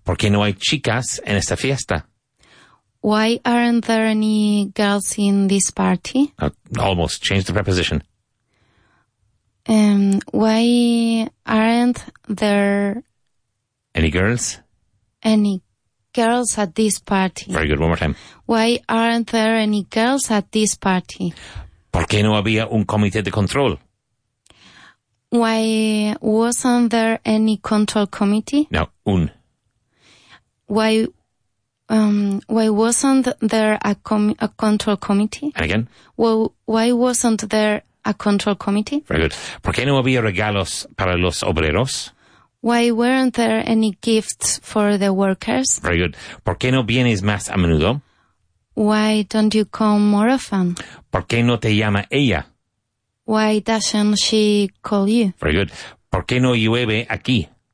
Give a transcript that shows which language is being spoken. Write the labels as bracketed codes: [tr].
[es] ¿Por qué no hay chicas en esta fiesta? [en] Why aren't there any girls in this party? Almost. Change the preposition. Why aren't there... Any girls? Any girls at this party. Very good, one more time. Why aren't there any girls at this party? [es] ¿Por qué no había un comité de control? [en] Why wasn't there any control committee? No, un. Why wasn't there a control committee? And again? Why wasn't there a control committee? Very good. [es] ¿Por qué no había regalos para los obreros? [en] Why weren't there any gifts for the workers? Very good. [es] ¿Por qué no vienes más a menudo? [en] Why don't you come more often? [es] ¿Por qué no te llama ella? [en] Why doesn't she call you? Very good. [es] ¿Por qué no llueve aquí?